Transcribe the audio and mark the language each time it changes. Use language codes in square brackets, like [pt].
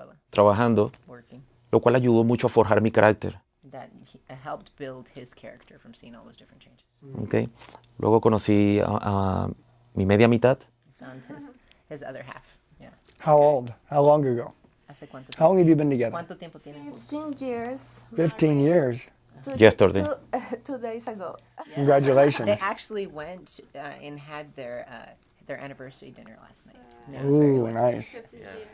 [es] Trabajando, lo cual ayudó mucho a forjar mi carácter. [en] That helped build his character from seeing all those different changes. Okay. [es] Luego conocí a mi media mitad. [en] Found his other half. Yeah. How old? How long ago? [es] Hace cuánto tiempo? [en] How long have you been together? [es] ¿Cuánto tiempo tienen? [en] 15 years. 15 years. Yesterday. Two days ago. Yes. Congratulations. They actually went and had their anniversary dinner last night. Yeah. Ooh, nice. 15. Yeah.